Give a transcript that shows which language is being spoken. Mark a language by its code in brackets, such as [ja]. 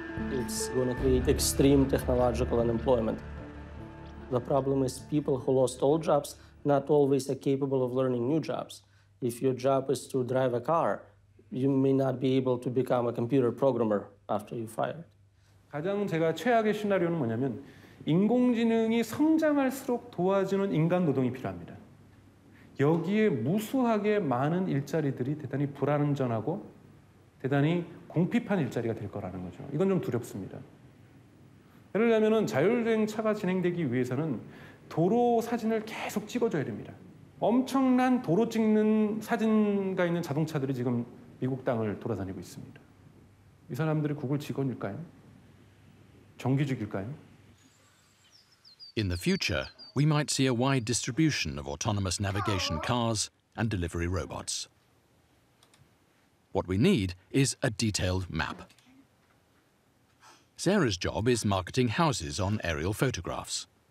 [en] It's going to create extreme technological unemployment. The problem is people who lost all jobs not always are capable of learning new jobs. If your job is to drive a car, you may not be able to become a computer programmer after you're fired. [ko] 가장 제가 최악의 시나리오는 뭐냐면 인공지능이 성장할수록 도와주는 인간 노동이 필요합니다. 여기에 무수하게 많은 일자리들이 대단히 불안정하고 대단히 궁핍한 일자리가 될 거라는 거죠. 이건 좀 두렵습니다. 예를 들면은 자율주행차가 진행되기 위해서는 도로 사진을 계속 찍어줘야 됩니다. 엄청난 도로 찍는 사진가 있는 자동차들이 지금 미국 땅을 돌아다니고 있습니다. 이 사람들이 구글 직원일까요? 정규직일까요? [en] In the future, we might see a wide distribution of autonomous navigation cars and delivery robots. What we need is a detailed map. Sarah's job is marketing houses on aerial photographs.